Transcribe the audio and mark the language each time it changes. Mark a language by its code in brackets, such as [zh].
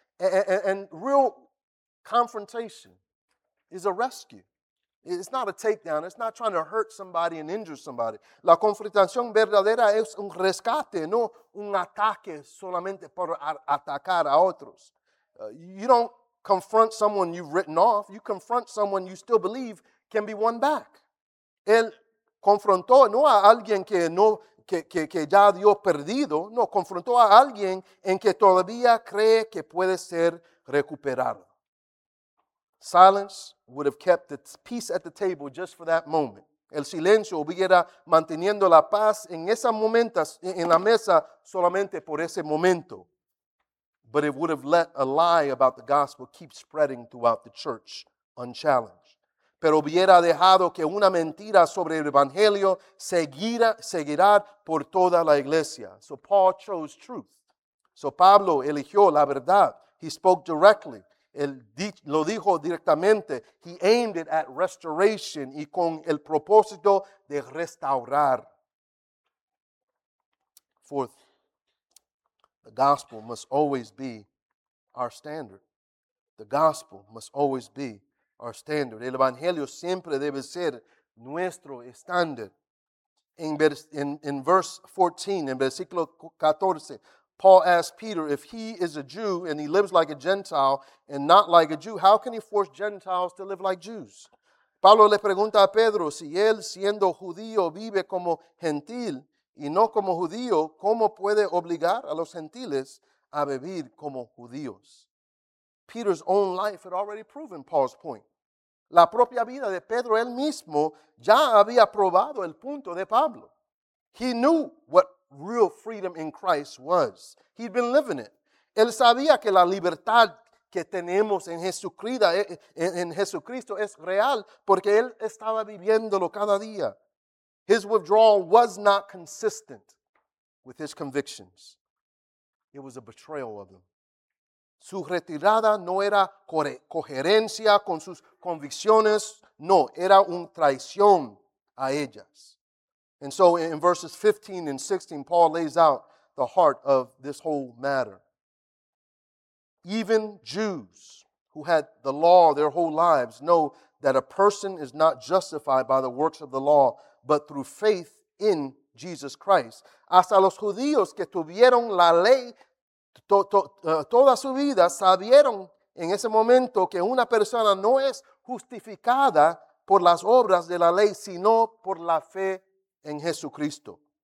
[en] And real confrontation is a rescue. It's not a takedown. It's not trying to hurt somebody and injure somebody. [es] La confrontación verdadera es un rescate, no un ataque solamente por atacar a otros. [en] You don't confront someone you've written off. You confront someone you still believe can be won back. [es] Él confrontó no a alguien que no que ya dio perdido. No, confrontó a alguien en que todavía cree que puede ser recuperado. [en] Silence would have kept the peace at the table just for that moment. [es] El silencio hubiera manteniendo la paz en ese momento, en la mesa, solamente por ese momento. [en] But it would have let a lie about the gospel keep spreading throughout the church unchallenged. [es] Pero hubiera dejado que una mentira sobre el evangelio seguirá por toda la iglesia. [en] So Paul chose truth. [es] So Pablo eligió la verdad. [en] He spoke directly. [es] Él lo dijo directamente. [en] He aimed it at restoration [es] y con el propósito de restaurar. [en] Fourth, the gospel must always be our standard. The gospel must always be our standard. [es] El evangelio siempre debe ser nuestro estándar. [en] In verse 14, in [es] versículo [en] 14, Paul asked Peter, if he is a Jew and he lives like a Gentile and not like a Jew, how can he force Gentiles to live like Jews? [es] Pablo le pregunta a Pedro, si él siendo judío vive como gentil y no como judío, ¿cómo puede obligar a los gentiles a vivir como judíos? [en] Peter's own life had already proven Paul's point. [es] La propia vida de Pedro él mismo ya había probado el punto de Pablo. [en] He knew what real freedom in Christ was. He'd been living it. [es] Él sabía que la libertad que tenemos en Jesucristo es real porque él estaba viviéndolo cada día. [en] His withdrawal was not consistent with his convictions. It was a betrayal of them. [es] Su retirada no era coherencia con sus convicciones. No, era un traición a ellas. [en] And so in verses 15 and 16, Paul lays out the heart of this whole matter. Even Jews who had the law their whole lives know that a person is not justified by the works of the law, but through faith in Jesus Christ. [es] Hasta los judíos que tuvieron la ley toda su vida sabieron en ese momento que una persona no es justificada por las obras de la ley, sino por la fe en Jesucristo.